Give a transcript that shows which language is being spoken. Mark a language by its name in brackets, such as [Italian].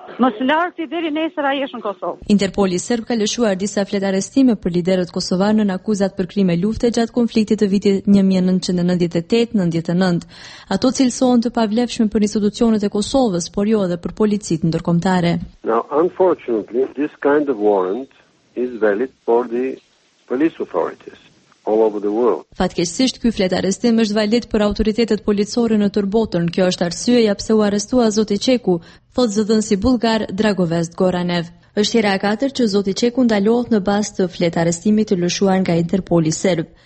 [Albanian] Mos larti deri nesër ai është në Kosovë. Interpoli serb ka lëshuar disa flet arrestime për liderët kosovar nën akuzat për krime lufte gjatë konfliktit të vitit 1998-99, ato cilësohen të pavlefshme për institucionet e Kosovës, por jo edhe për policitë ndërkombëtare. [English] Now, unfortunately, this kind of warrant is valid for the police authorities. [Albanian] Fatkeqësisht, ky flet arrestim është valid për autoritetet policore në tërë botën. Kjo është arsyeja pse u arrestua zoti Çeku, thot zëdhënësi bullgar Dragovest Goranev. Është hera e katërt që zoti Çeku ndalohet në bazë të flet arrestimit të lëshuar nga Interpoli serb.